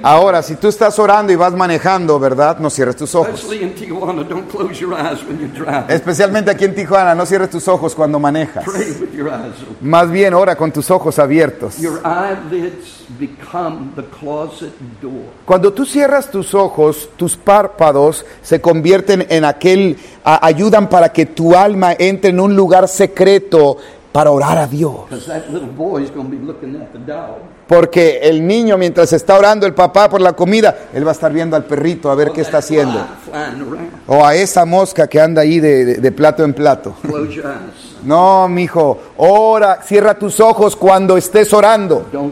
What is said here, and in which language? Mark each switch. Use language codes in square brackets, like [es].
[es] Ahora, si tú estás orando y vas manejando, ¿verdad? No cierres tus ojos. [en] Especially in Tijuana, don't close your eyes when you're driving. [es] Especialmente aquí en Tijuana, no cierres tus ojos cuando manejas. [en] Pray with your eyes open. [es] Más bien, ora con tus ojos abiertos. [en] Your eyelids become the closet door. [es] Cuando tú cierras tus ojos, tus párpados se convierten en aquel, ayudan para que tu alma entre en un lugar secreto para orar a Dios. [en] Because that little boy is going to be looking at the dog. [es] Porque el niño, mientras está orando el papá por la comida, él va a estar viendo al perrito a ver qué está haciendo. O a esa mosca que anda ahí de plato en plato. No, mijo, ora, cierra tus ojos cuando estés orando.